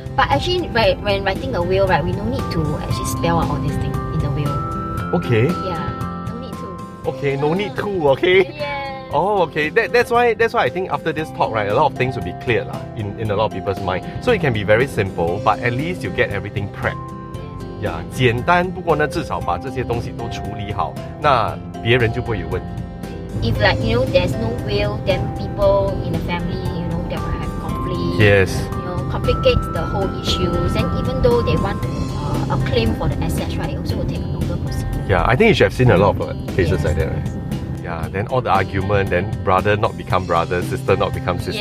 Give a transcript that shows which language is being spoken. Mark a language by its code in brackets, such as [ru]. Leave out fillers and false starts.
[en] But actually, right, when writing a will, right, we don't need to actually spell out all these things in the will. Okay. Yeah. No need to. Okay. No need to. Okay. Yeah. Oh, okay. That's why I think after this talk, right, a lot of things will be clear lah, in a lot of people's mind. So it can be very simple, but at least you get everything prepped. [zh] Yeah, 简单，不过呢，至少把这些东西都处理好，那别人就不会有问题。 [en] If like, you know, there's no will, then people in the family, you know, they will have conflict. Yes. You know, complicate the whole issues. And even though they want a claim for the assets, right, it also will take a longer process. Yeah, I think you should have seen a lot of cases yes, like that, right? Yeah, then all the argument, then brother not become brother, sister not become sister.